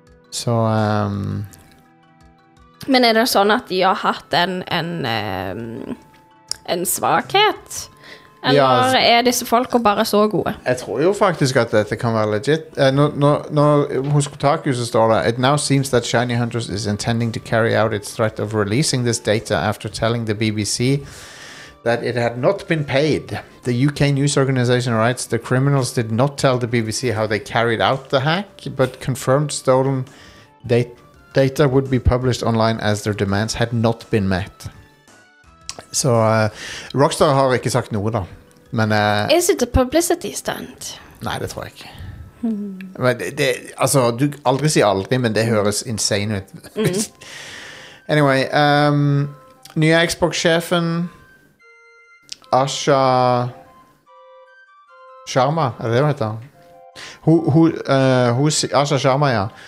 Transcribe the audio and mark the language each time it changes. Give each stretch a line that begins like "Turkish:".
Norwegian: Så... Men er det sånn at de har hatt en svakhet? Eller ja, er disse folk bare så gode? Jeg tror jo faktisk at dette kan være legit. Når hos Kotaku så står det
English: «It now seems that Shiny Hunters is intending to carry out its threat of releasing this data after telling the BBC that it had not been paid. The UK news organization writes the criminals did not tell the BBC how they carried out the hack, but confirmed stolen data would be published online as their demands had not been met.
Norwegian: Så Rockstar har ikke sagt noe da. Men,
English: is it a publicity stunt?
Norwegian: Nei, det tror jeg ikke. Men det, altså, du aldri sier aldri, men det høres insane ut. Anyway, nye Xbox-sjefen Asha Sharma, er det hva heter? Asha Sharma, ja.